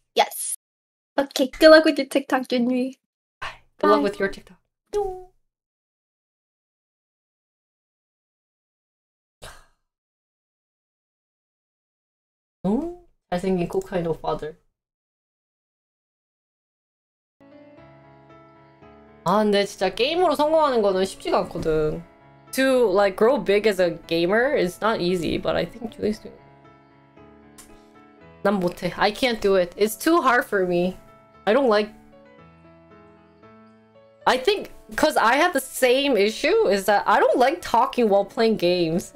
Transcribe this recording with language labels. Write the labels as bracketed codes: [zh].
[en] Yes. Okay. Good luck with your TikTok, Jinri. Bye. Good luck with your TikTok. Oh, I think you're kind of father. [ko] 아 근데 진짜 게임으로 성공하는 거는 쉽지가 않거든. [en] To like grow big as a gamer is not easy, but I think Julie's doing. [ko] 난 못해. [en] I can't do it. It's too hard for me. I don't like. I think because I have the same issue is that I don't like talking while playing games.